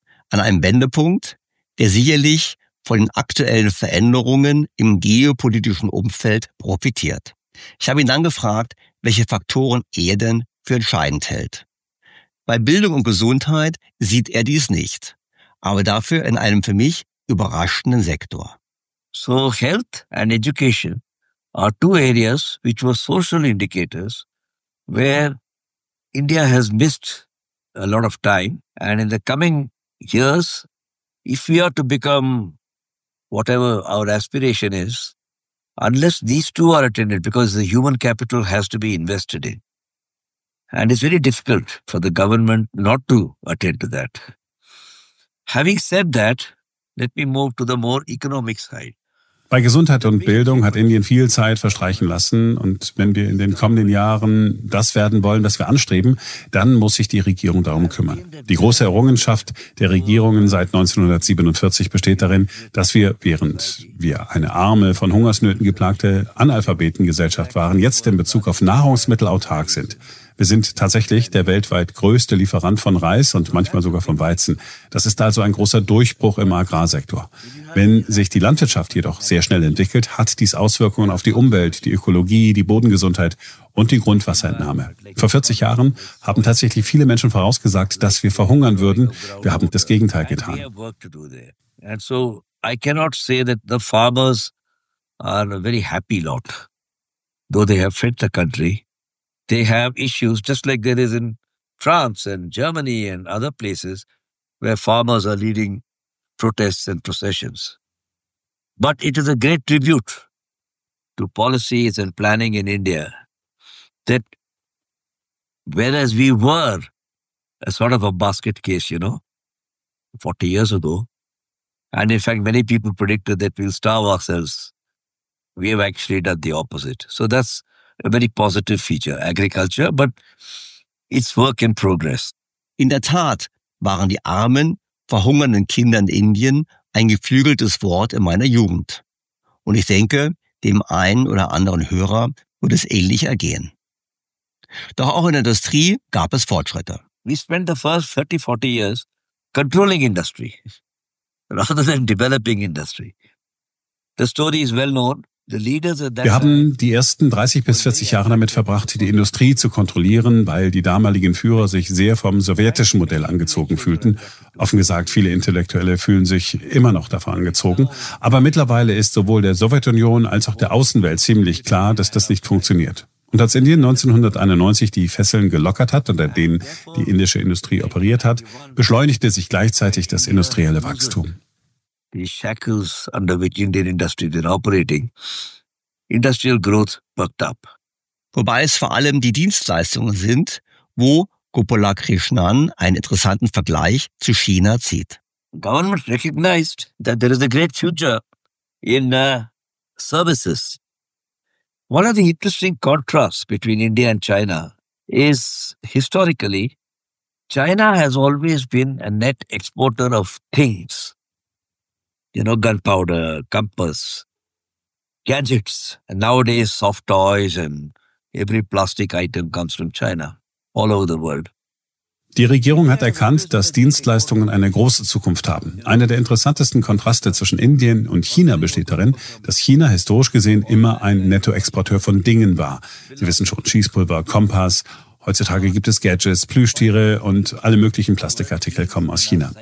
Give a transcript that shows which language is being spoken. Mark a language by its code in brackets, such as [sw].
[de] An einem Wendepunkt, der sicherlich von den aktuellen Veränderungen im geopolitischen Umfeld profitiert. Ich habe ihn dann gefragt, welche Faktoren er denn für entscheidend hält. Bei Bildung und Gesundheit sieht er dies nicht, aber dafür in einem für mich überraschenden Sektor. [en] So health and education are two areas which were social indicators where India has missed a lot of time. And in the coming years, if we are to become whatever our aspiration is, unless these two are attended, because the human capital has to be invested in. And it's very difficult for the government not to attend to that. Having said that, let me move to the more economic side. [de] Bei Gesundheit und Bildung hat Indien viel Zeit verstreichen lassen. Und wenn wir in den kommenden Jahren das werden wollen, was wir anstreben, dann muss sich die Regierung darum kümmern. Die große Errungenschaft der Regierungen seit 1947 besteht darin, dass wir, während wir eine arme, von Hungersnöten geplagte Analphabetengesellschaft waren, jetzt in Bezug auf Nahrungsmittel autark sind. Wir sind tatsächlich der weltweit größte Lieferant von Reis und manchmal sogar von Weizen. Das ist also ein großer Durchbruch im Agrarsektor. Wenn sich die Landwirtschaft jedoch sehr schnell entwickelt, hat dies Auswirkungen auf die Umwelt, die Ökologie, die Bodengesundheit und die Grundwasserentnahme. Vor 40 Jahren haben tatsächlich viele Menschen vorausgesagt, dass wir verhungern würden. Wir haben das Gegenteil getan. [en] And so I cannot say that the farmers are a very happy lot, though they have fed the country. They have issues just like there is in France and Germany and other places where farmers are leading protests and processions. But it is a great tribute to policies and planning in India that whereas we were a sort of a basket case, you know, 40 years ago, and in fact many people predicted that we'll starve ourselves, we have actually done the opposite. So that's a very positive feature, agriculture, but it's work in progress. [de] In der Tat waren die armen, verhungernden Kinder in Indien ein geflügeltes Wort in meiner Jugend. Und ich denke, dem einen oder anderen Hörer wird es ähnlich ergehen. Doch auch in der Industrie gab es Fortschritte. [en] We spent the first 30, 40 years controlling industry rather than developing industry. The story is well known. [de] Wir haben die ersten 30 bis 40 Jahre damit verbracht, die Industrie zu kontrollieren, weil die damaligen Führer sich sehr vom sowjetischen Modell angezogen fühlten. Offen gesagt, viele Intellektuelle fühlen sich immer noch davon angezogen. Aber mittlerweile ist sowohl der Sowjetunion als auch der Außenwelt ziemlich klar, dass das nicht funktioniert. Und als Indien 1991 die Fesseln gelockert hat, unter denen die indische Industrie operiert hat, beschleunigte sich gleichzeitig das industrielle Wachstum. [en] The shackles under which Indian industry been operating, industrial growth perked up. [de] Wobei es vor allem die Dienstleistungen sind, wo Gopala Krishnan einen interessanten Vergleich zu China zieht. [en] Government recognized that there is a great future in services. One of the interesting contrasts between India and China is historically, China has always been a net exporter of things. You know, gunpowder, compass, gadgets, and nowadays soft toys and every plastic item comes from China, all over the world. [de] Die Regierung hat erkannt, dass Dienstleistungen eine große Zukunft haben. Einer der interessantesten Kontraste zwischen Indien und China besteht darin, dass China historisch gesehen immer ein Nettoexporteur von Dingen war. Sie wissen schon, Schießpulver, Kompass. Heutzutage gibt es Gadgets, Plüschtiere und alle möglichen Plastikartikel kommen aus China.